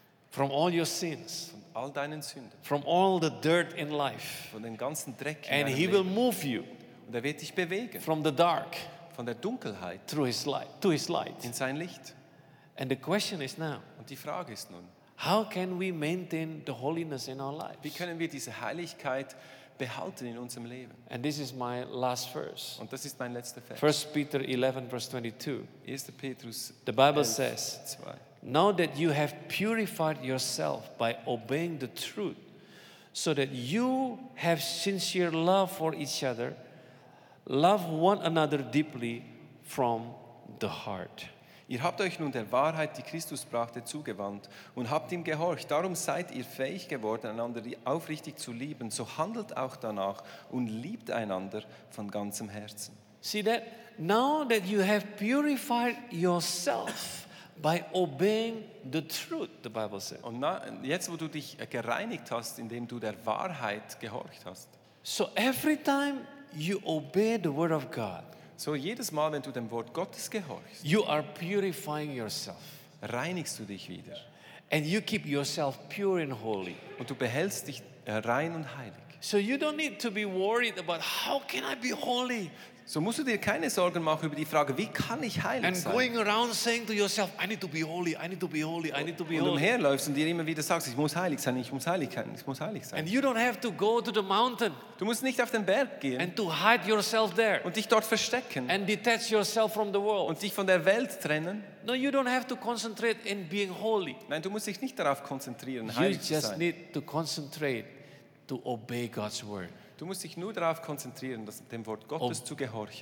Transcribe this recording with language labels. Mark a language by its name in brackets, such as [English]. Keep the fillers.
[English] From all your sins, from all the dirt in life, and He will move you. From the dark, [German] von der Dunkelheit, [English] through His light, to His light, [German] in sein Licht. [English] And the question is now. How can we maintain the holiness in our lives? [German] Wie können wir diese Heiligkeit behalten in unserem Leben? [English] And this is my last verse. [German] Und das ist mein letzter Vers. [English] First Peter 11 verse 22. 1. Peter's The Bible says. Now that you have purified yourself by obeying the truth, so that you have sincere love for each other, love one another deeply from the heart. [German] Ihr habt euch nun der Wahrheit, die Christus brachte, zugewandt und habt ihm gehorcht. Darum seid ihr fähig geworden, einander aufrichtig zu lieben. So handelt auch danach und liebt einander von ganzem Herzen. [English] See that? Now that you have purified yourself by obeying the truth, the Bible says. [German] Und jetzt, wo du dich gereinigt hast, indem du der Wahrheit gehorcht hast. [English] So every time you obey the word of God. [German] So jedes Mal, wenn du dem Wort Gottes gehorchst, [English] you are purifying yourself. [German] Reinigst du dich wieder. [English] And you keep yourself pure and holy. [German] And du behältst dich rein und heilig. [English] So you don't need to be worried about how can I be holy? [German] So musst du dir keine Sorgen machen über die Frage, wie kann ich heilig and sein? Yourself, holy, holy, und umherläufst und dir immer wieder sagst, ich muss heilig sein, ich muss heilig sein, ich muss heilig sein. Du musst nicht auf den Berg gehen. Und dich dort verstecken. Und dich von der Welt trennen. No, Nein, du musst dich nicht darauf konzentrieren, you heilig zu sein. [English] You just need to concentrate to obey God's word. [German] Du musst dich nur darauf konzentrieren, dem Wort Gottes zu gehorchen.